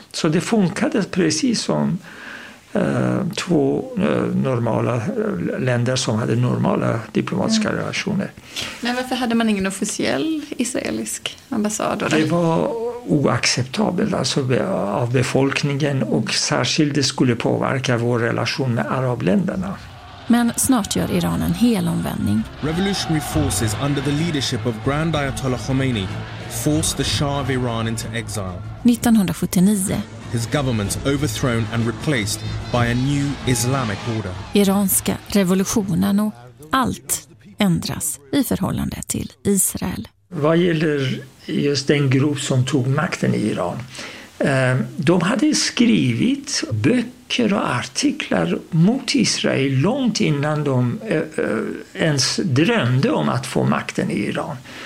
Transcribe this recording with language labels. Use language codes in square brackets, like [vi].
[sv] Så det funkade precis som två normala länder som hade normala diplomatiska relationer. Men varför hade man ingen officiell israelisk ambassadör? Det var oacceptabelt, alltså av befolkningen, och särskilt det skulle påverka vår relation med arabländerna. Men snart gör Iran en hel omvändning. [en] Revolutionary forces under the leadership of Grand Ayatollah Khomeini forced the Shah of Iran into exile. 1979. His government overthrown and replaced by a new Islamic order. [sv] Iranska revolutionen, och allt ändras i förhållande till Israel. Vad gäller just den grupp som tog makten i Iran? De hade skrivit böcker och artiklar mot Israel långt innan de ens drömde om att få makten i Iran.